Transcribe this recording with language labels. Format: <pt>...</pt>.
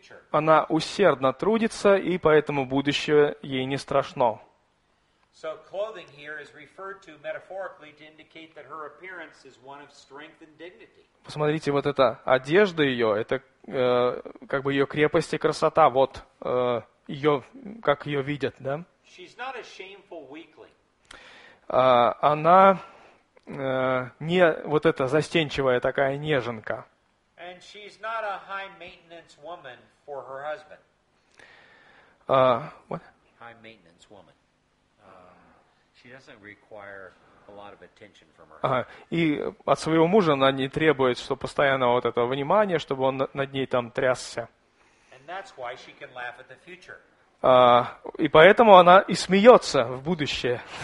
<ru>Она усердно трудится, и поэтому будущее ей не страшно.</ru> <en>So clothing here is referred to metaphorically to indicate that her appearance is one of strength and dignity.</en> <ru>Посмотрите, вот эта одежда ее, это как бы ее крепость и красота, вот ее, как ее видят, да?</ru> <en>She's not a shameful weakling.</en> <ru>Она не вот эта застенчивая такая неженка.</ru> <en>And she's not a high maintenance woman for her husband. What? High maintenance woman. She doesn't require a lot of attention from her husband.</en> <ru>И от своего мужа она не требует, что постоянно вот этого внимания, чтобы он над ней там трясся.</ru> <en>And that's why she can laugh at the future.</en> <ru>И поэтому она и смеется в будущее.</ru>